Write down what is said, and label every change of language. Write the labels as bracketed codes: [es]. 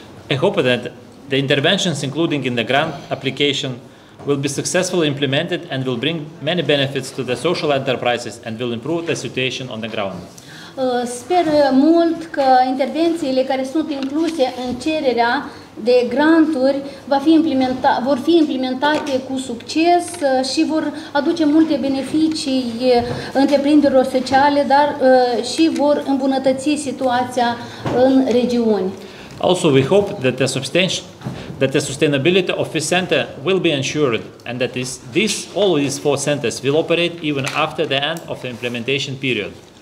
[en] I hope that the interventions including in the grant application will be successfully implemented and will bring many benefits to the social enterprises and will improve the situation on the ground. [ro] Sper mult că intervențiile care sunt incluse în cererea de granturi vor fi implementate cu succes și vor aduce multe beneficii întreprinderilor sociale, dar și vor îmbunătăți situația în regiuni. [en] Also, we hope that the sustainability of this center will be ensured and that all these 4 centers will operate even after the end of the implementation period.